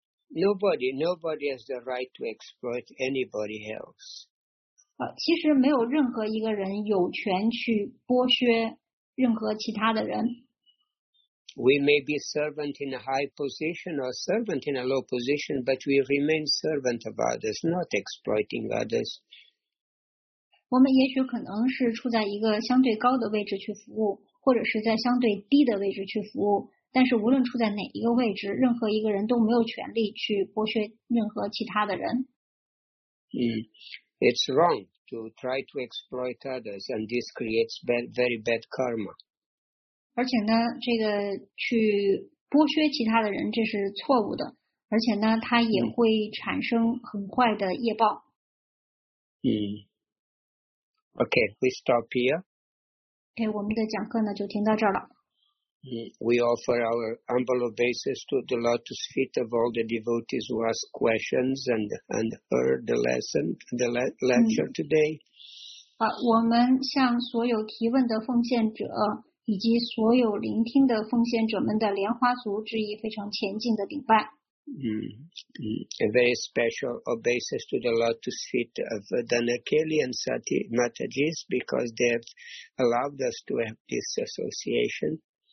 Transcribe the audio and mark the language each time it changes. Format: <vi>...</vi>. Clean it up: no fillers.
<en>Nobody has the right to exploit anybody else.</en> <zh>其实没有任何一个人有权去剥削任何其他的人。</zh> <en>We may be servant in a high position or servant in a low position, but we remain servant of others, not exploiting others.</en> <zh>我们也许可能是处在一个相对高的位置去服务，或者是在相对低的位置去服务，但是无论处在哪一个位置，任何一个人都没有权利去剥削任何其他的人。</zh> <en>It's wrong to try to exploit others, and this creates bad, very bad karma.</en> <zh>而且呢，这个去剥削其他的人，这是错误的。而且呢，它也会产生很坏的业报。</zh> <en>Okay, we stop here.</en> <zh>Okay, 我们的讲课呢就停到这儿了。</zh> <en>We offer our humble obeisances to the lotus feet of all the devotees who ask questions and heard the lesson, the lecture today.</en> <zh>我们向所有提问的奉献者以及所有聆听的奉献者们的莲花族致以非常虔敬的顶拜。</zh> <en>A very special obeisance to the lotus feet of Dhanakeli and Sati Matajis because they have allowed us to have this association.</en>